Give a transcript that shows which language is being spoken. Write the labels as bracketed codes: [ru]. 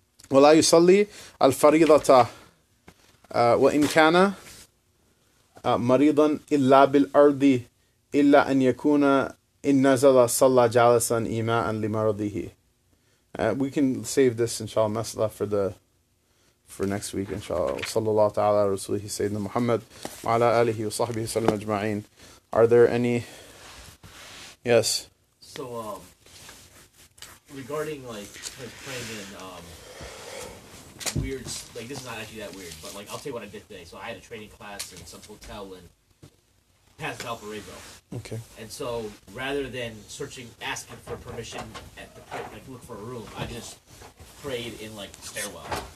[ar] ولا يصلي الفريضة وإن كان مريضا إلا بالأرض إلا أن يكون إن نزل صلى جالسا إيماء لمرضه. [en] We can save this, inshallah, masala for next week, inshallah. [ar] صلى الله تعالى على رسوله سيدنا محمد وعلى آله وصحبه وسلم أجمعين. [en] Are there any? Yes. So, regarding praying in weird, like, this is not actually that weird, but, like, I'll tell you what I did today. So I had a training class in some hotel in Paso Del Paraiso. Okay. And so rather than asking for permission at the pit, like, look for a room, I just prayed in, like, the stairwell.